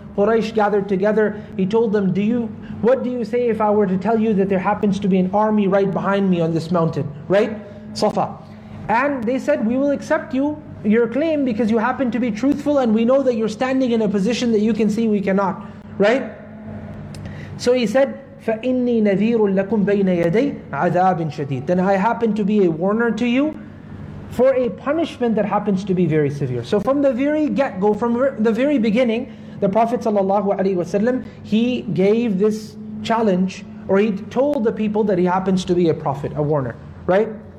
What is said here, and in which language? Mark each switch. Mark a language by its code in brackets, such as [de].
[en] Quraysh gathered together. He told them, what do you say if I were to tell you that there happens to be an army right behind me on this mountain? Right? Safa. And they said, we will accept you, your claim, because you happen to be truthful, and we know that you're standing in a position that you can see we cannot. Right? So he said, [ar] فَإِنِّي نَذِيرٌ لَكُمْ بَيْنَ يَدَيْ عَذَابٍ شَدِيدٍ. [en] Then I happen to be a warner to you for a punishment that happens to be very severe. So from the very get-go, from the very beginning, the Prophet ﷺ, he gave this challenge, or he told the people that he happens to be a prophet, a warner, right?